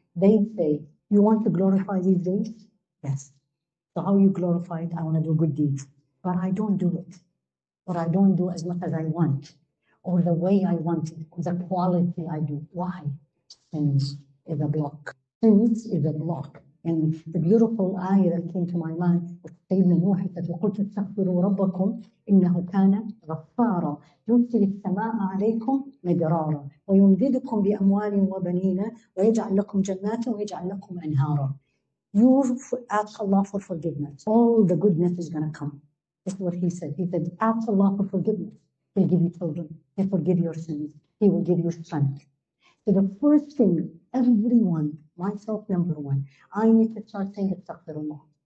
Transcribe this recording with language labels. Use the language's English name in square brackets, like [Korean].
[English] They say, you want to glorify these days? Yes. So how you glorify it? I want to do good deeds. But I don't do it. Or I don't do as much as I want. Or the way I want it. Or the quality I do. Why? Sins is a block. Sins is a block And the beautiful ayah that came to my mind was Sayyidina Nuh said, [Arabic] وَقُلْتُ اسْتَغْفِرُوا رَبَّكُمْ إِنَّهُ كَانَ غَفَّارًا يُرْسِلِ السَّمَاءَ عَلَيْكُمْ مِدْرَارًا وَيُمْدِدُكُمْ بِأَمْوَالٍ وَبَنِينَ وَيَجْعَلْ لَكُمْ جَنَّاتٍ وَيَجْعَلْ لَكُمْ أَنْهَارًا. [English] You ask Allah for forgiveness, all the goodness is going to come. This is what he said. He said, ask Allah for forgiveness. He'll give you children. He'll forgive your sins. He will give you strength. So the first thing, everyone, myself number one, I need to start saying astaghfirullah.